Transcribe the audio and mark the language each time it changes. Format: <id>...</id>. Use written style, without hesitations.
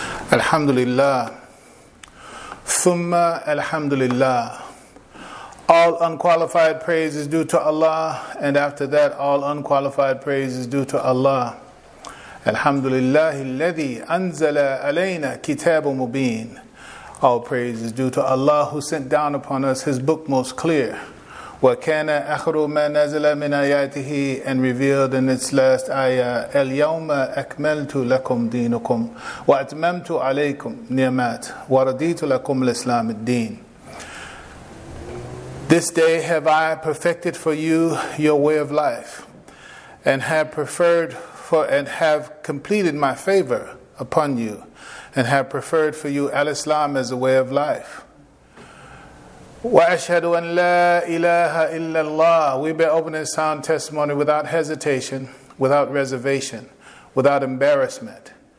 <ar>Alhamdulillah, thumma alhamdulillah,</ar> <en>all unqualified praise is due to Allah, and after that all unqualified praise is due to Allah.</en> <ar>Alhamdulillah, alladhi anzala alayna kitabu mubeen,</ar> <en>all praise is due to Allah who sent down upon us his book most clear.</en> <ar>وَكَانَ أَخْرُ مَا نَزَلَ مِنْ آيَاتِهِ</ar> <en>and revealed in its last ayah,</en> <ar>الْيَوْمَ أَكْمَلْتُ لَكُمْ دِينُكُمْ وَأَتْمَمْتُ عَلَيْكُمْ نِعْمَاتِ وَرَضِيتُ لَكُمْ الْإِسْلَامِ الدِّينِ.</ar> <en>This day have I perfected for you your way of life, and have preferred for and have completed my favor upon you, and have preferred for you al-Islam as a way of life.</en> <ar>وَأَشْهَدُ أَنْ لَا إِلَٰهَ إِلَّا اللَّهِ.</ar> <en>We bear opening sound testimony without hesitation, without reservation, without embarrassment.</en>